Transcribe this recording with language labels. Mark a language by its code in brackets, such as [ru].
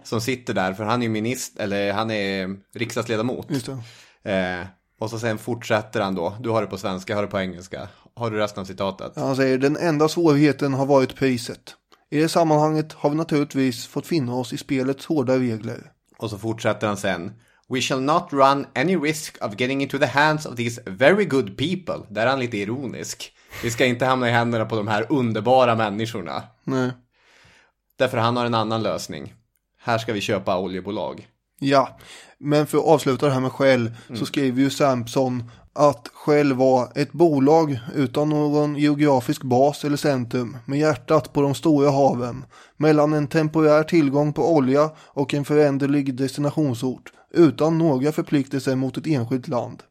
[sv] som sitter där, för han är minister, eller han är riksdagsledamot. Just det. Och så sen fortsätter han då, du har det på svenska, har det på engelska. Har du resten av citatet? Han säger, den enda svårigheten har varit priset. I det sammanhanget har vi naturligtvis fått finna oss i spelets hårda regler. Och så fortsätter han sen. [en] We shall not run any risk of getting into the hands of these very good people. [sv] Där är han lite ironisk. Vi ska inte hamna i händerna på de här underbara människorna. Nej. Därför han har en annan lösning. Här ska vi köpa oljebolag. Ja, men för att avsluta det här med Shell så skriver ju Sampson att Shell var ett bolag utan någon geografisk bas eller centrum, med hjärtat på de stora haven, mellan en temporär tillgång på olja och en föränderlig destinationsort, utan några förpliktelser mot ett enskilt land.